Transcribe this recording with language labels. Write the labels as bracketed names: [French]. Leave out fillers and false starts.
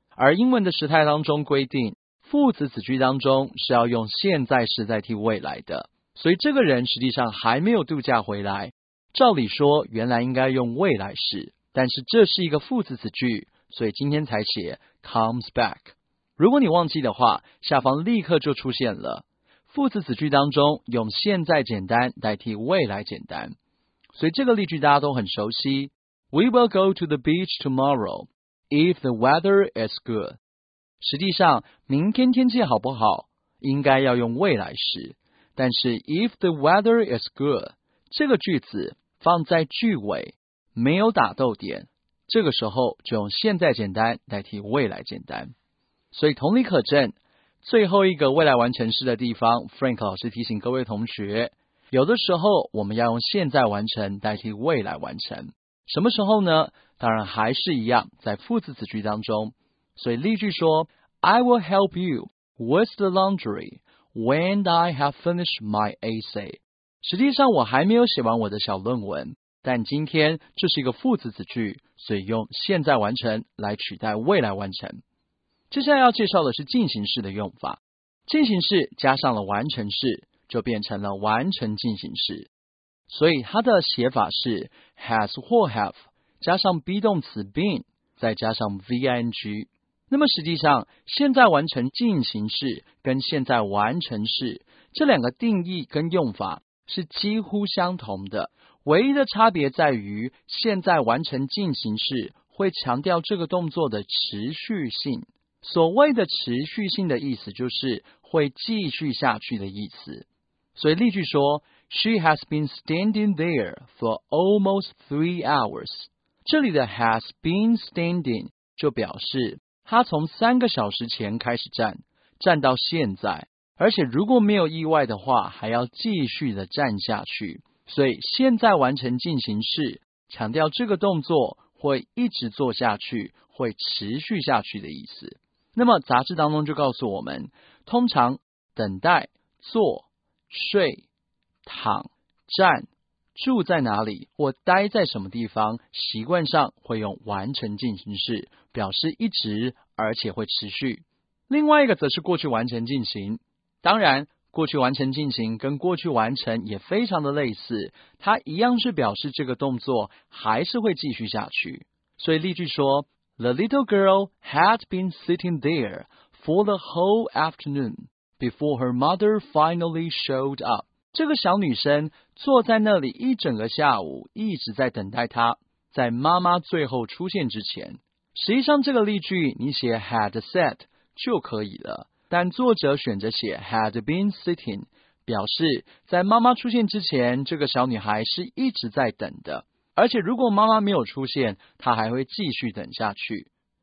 [Chinese] 而英文的时态当中规定，副词子句当中是要用现在时代替未来的，所以这个人实际上还没有度假回来，照理说原来应该用未来式，但是这是一个副词子句，所以今天才写 [English] comes back。 [Chinese] 如果你忘记的话，下方立刻就出现了副词子句当中用现在简单代替未来简单，所以这个例句大家都很熟悉。 [English] We will go to the beach tomorrow if the weather is good。 [Chinese] 实际上明天天气好不好应该要用未来式，但是 [English] if the weather is good [Chinese] 这个句子放在句尾没有打逗点，这个时候就用现在简单代替未来简单。所以同理可证，最后一个未来完成式的地方， Frank 老师提醒各位同学，有的时候我们要用现在完成代替未来完成，什么时候呢？当然还是一样在副词子句当中。所以例句说 [English] I will help you with the laundry when I have finished my essay。 [Chinese] 实际上我还没有写完我的小论文，但今天这是一个副词子句，所以用现在完成来取代未来完成。接下来要介绍的是进行式的用法，进行式加上了完成式就变成了完成进行式，所以它的写法是 has 或 have 加上 be 动词 been 再加上 ving。那么实际上现在完成进行式跟现在完成式这两个定义跟用法是几乎相同的，唯一的差别在于现在完成进行式会强调这个动作的持续性。所谓的持续性的意思就是会继续下去的意思。所以例句说 [English] She has been standing there for almost 3 hours。 [Chinese] 这里的 [English] has been standing [Chinese] 就表示她从3个小时前开始站，站到现在，而且如果没有意外的话还要继续的站下去。所以现在完成进行式强调这个动作会一直做下去，会持续下去的意思。那么杂志当中就告诉我们，通常等待、坐、睡、躺、站、住在哪里或待在什么地方，习惯上会用完成进行式表示一直而且会持续。另外一个则是过去完成进行，当然过去完成进行跟过去完成也非常的类似，它一样是表示这个动作还是会继续下去。所以例句说 [English] The little girl had been sitting there for the whole afternoon before her mother finally showed up。 [Chinese] 这个小女生坐在那里一整个下午一直在等待她，在妈妈最后出现之前。实际上这个例句你写 [English] had sat [Chinese] 就可以了，但作者选择写 [English] had been sitting [Chinese] 表示在妈妈出现之前这个小女孩是一直在等的，而且如果妈妈没有出现她还会继续等下去。